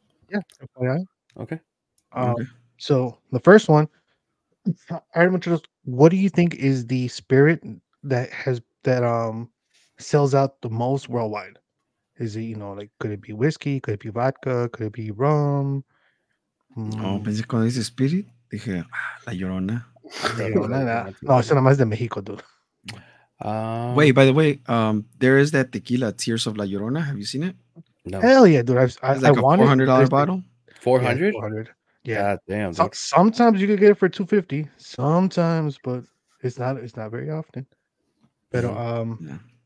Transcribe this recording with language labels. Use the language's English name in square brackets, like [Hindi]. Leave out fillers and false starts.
[English] Yeah, FYI. Okay. So the first one, what do you think is the spirit that has that sells out the most worldwide? Is it, you know, like, could it be whiskey? Could it be vodka? Could it be rum? [Spanish] Oh, pensé cuando dice spirit, dije, la llorona. No, eso nada más de México, dude. [English] Wait, by the way, there is that tequila Tears of La Llorona. Have you seen it? No. Hell yeah, dude. I want a $400 bottle. $400? Yeah. Damn. Sometimes you could get it for $250. Sometimes, but it's not very often. But yeah.